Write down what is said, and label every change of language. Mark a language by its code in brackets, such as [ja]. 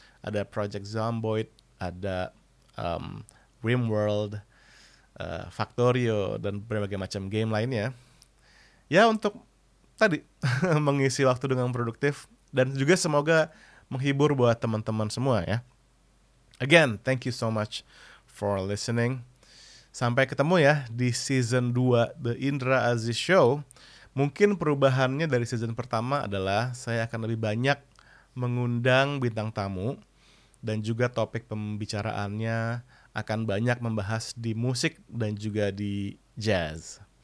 [id] Ada Project Zomboid, ada Rimworld, Factorio, dan berbagai macam game lainnya. Ya untuk tadi mengisi waktu dengan produktif dan juga semoga menghibur buat teman-teman semua ya. [en] Again, thank you so much for listening. [id] Sampai ketemu ya di season 2 The Indra Aziz Show. Mungkin perubahannya dari season pertama adalah saya akan lebih banyak mengundang bintang tamu dan juga topik pembicaraannya akan banyak membahas di musik dan juga di jazz.